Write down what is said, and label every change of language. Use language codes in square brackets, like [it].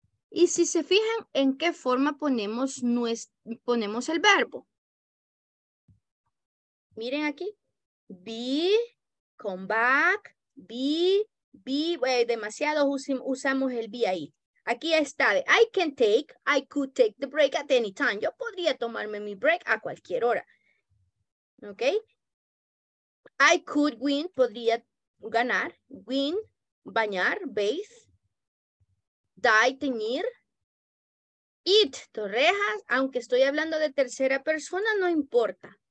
[es] Y si se fijan en qué forma ponemos el verbo. Miren aquí. Be, come back, demasiado usamos el be ahí. Aquí está. [en] I can take, I could take the break at any time. [es] Yo podría tomarme mi break a cualquier hora. ¿Ok? I could win, podría ganar, win, bañar, bathe, die, teñir, eat, torrejas, aunque estoy hablando de tercera persona, no importa.